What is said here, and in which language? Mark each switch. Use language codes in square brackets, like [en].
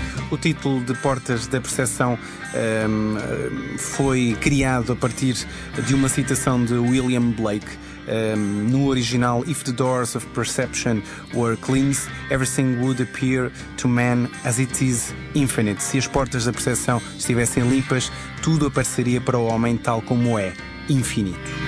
[pt] O título de Portas da Percepção foi criado a partir de uma citação de William Blake. No original, [en] "If the doors of perception were cleansed, everything would appear to man as it is infinite." [pt] Se as portas da percepção estivessem limpas, tudo apareceria para o homem tal como é, infinito.